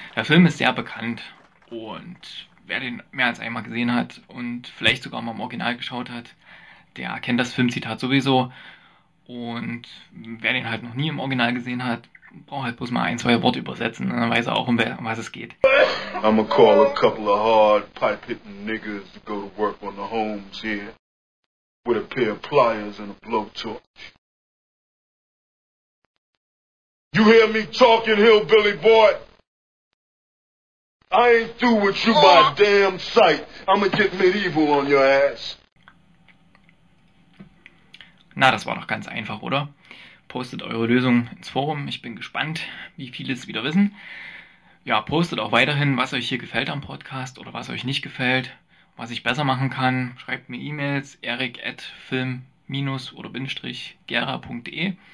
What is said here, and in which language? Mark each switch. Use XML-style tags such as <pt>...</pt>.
<de>Der Film ist sehr bekannt und wer den mehr als einmal gesehen hat und vielleicht sogar mal im Original geschaut hat, der kennt das Filmzitat sowieso. Und wer den halt noch nie im Original gesehen hat, braucht halt bloß mal ein, zwei Worte übersetzen, dann weiß er auch, um was es geht.</de> <en>I'ma call a couple of hard pipe-hitting niggas to go to work on the homes here with a pair of pliers and a blowtorch. You hear me talking, hillbilly boy? I ain't through with you by damn sight. I'ma get medieval on your ass.</en> <de>Na, das war doch ganz einfach, oder? Postet eure Lösung ins Forum. Ich bin gespannt, wie viele es wieder wissen. Ja, postet auch weiterhin, was euch hier gefällt am Podcast oder was euch nicht gefällt, was ich besser machen kann. Schreibt mir E-Mails eric@film-gera.de.</de>